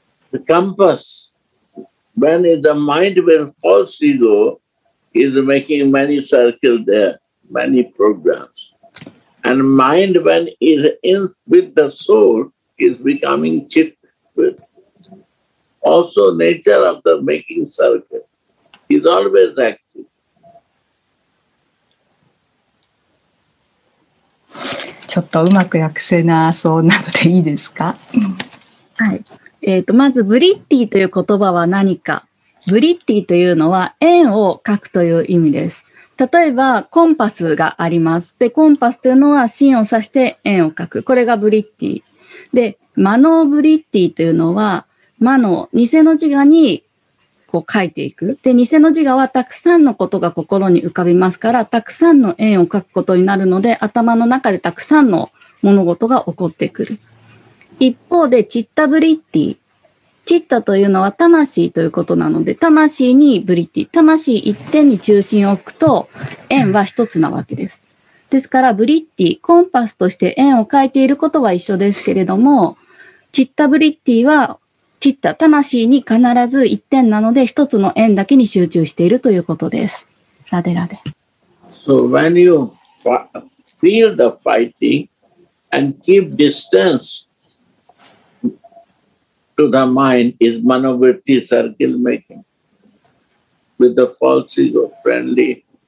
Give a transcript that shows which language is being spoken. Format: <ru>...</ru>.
<en>The compass, when is the mind will false ego,is making many circles there, many programs. And mind when is in with the soul is becoming chit with. Also nature of the making circle is always active.</en> <ja>ちょっとうまく訳せなそうなのでいいですか？はい。まずブリッティという言葉は何か。ブリッティというのは円を描くという意味です。例えばコンパスがあります。で、コンパスというのは芯を指して円を描く。これがブリッティ。で、マノーブリッティというのはマノー、偽の自我にこう書いていく。で、偽の自我はたくさんのことが心に浮かびますから、たくさんの円を書くことになるので、頭の中でたくさんの物事が起こってくる。一方で、チッタブリッティ。チッタというのは魂ということなので、魂にブリッティ。魂一点に中心を置くと、円は一つなわけです。ですから、ブリッティ、コンパスとして円を書いていることは一緒ですけれども、チッタブリッティは、チッタ、魂に必ず一点なので、一つの円だけに集中しているということです。ラデラデ。</ja> <en>So when you feel the fighting and keep distance to the mind is Manavritti circle making with the false ego friendly.</en>